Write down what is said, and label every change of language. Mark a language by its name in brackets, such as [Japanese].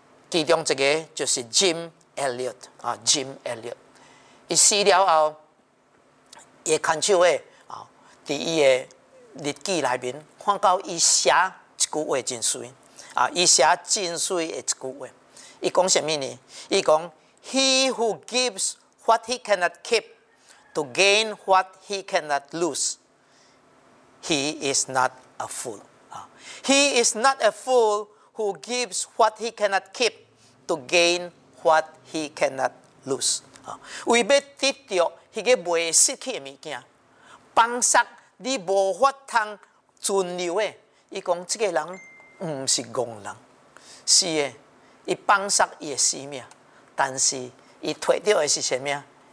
[Min Nan Chinese] 其中一个就是 Jim Elliot 啊 ，Jim Elliot， 伊死了后，也看手的啊，在伊的日记内面看到伊写。一句话真水啊！伊写真水的一句话，伊讲什么呢？伊讲 ： [English] He who gives what he cannot keep to gain what he cannot lose, he is not a fool. He is not a fool who gives what he cannot keep to gain what he cannot lose. [Min Nan Chinese] 为要得到迄个未失去的物件，放下你无法通存留的。伊讲，这个人唔是戆人，是诶，伊放下伊诶性命，但是伊摕到诶是啥物啊？